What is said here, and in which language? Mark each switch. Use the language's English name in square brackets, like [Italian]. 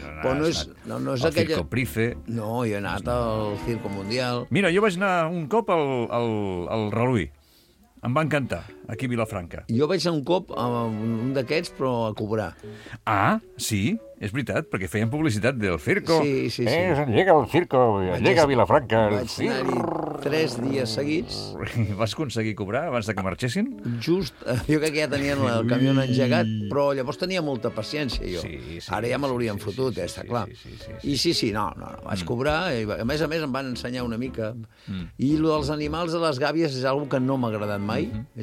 [Catalan] Però no és aquella... Circo Price. No, he anat al Circo Mundial. Mira, jo vaig anar un cop al Reluí. Em va encantar, aquí a Vilafranca. Jo vaig anar un cop a un d'aquests, però a cobrar. Ah, sí, és veritat, perquè feien publicitat del circo. Sí. [Spanish] Llega al circo, llega a Vilafranca. [Catalan] Vaig anar-hi 3 dies seguits. Vas aconseguir cobrar abans de que marxessin? Just, jo crec que ja tenien el camió engegat, però llavors tenia molta paciència, jo. Sí. Ara ja me l'haurien fotut, està clar. Sí, vaig cobrar, i a més em van ensenyar una mica. Mm. I el dels animals de les gàbies és algo que no m'ha agradat mai. Mm-hmm.